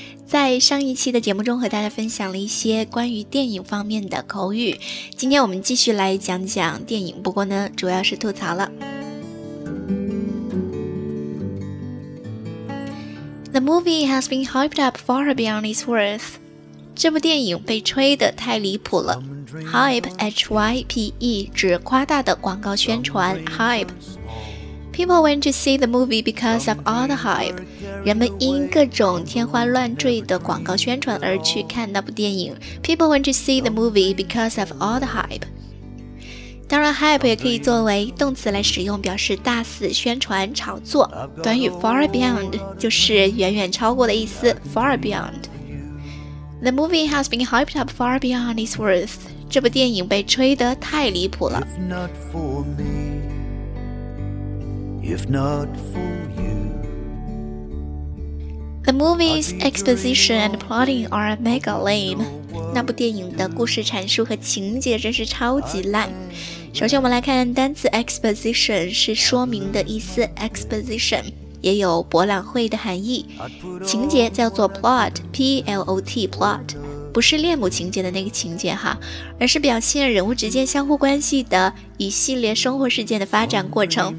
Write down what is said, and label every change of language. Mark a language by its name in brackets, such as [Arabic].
[Chinese] 在上一期的节目中和大家分享了一些关于电影方面的口语，今天我们继续来讲讲电影，不过呢，主要是吐槽了。 [English] The movie has been hyped up far beyond its worth. [Chinese] 这部电影被吹得太离谱了。 Hype, H-Y-P-E, 指夸大的广告宣传。Hype. [English] People went to see the movie because of all the hype. [Chinese] 人们因各种天花乱坠的广告宣传而去看那部电影。 [English] People went to see the movie because of all the hype. [Chinese] 当然 hype 也可以作为动词来使用，表示大肆宣传、炒作。短语 far beyond 就是远远超过的意思。Far beyond. [English] The movie has been hyped up far beyond its worth. [Chinese] 这部电影被吹得太离谱了。 [English] If not for you. The movie's exposition and plotting are mega lame. [Chinese] 那部电影的故事阐述和情节真是超级烂。首先我们来看单词 exposition 是说明的意思， exposition 也有博览会的含义。情节叫做 plot, P-L-O-T, plot. 不是恋母情节的那个情节哈，而是表现人物之间相互关系的一系列生活事件的发展过程。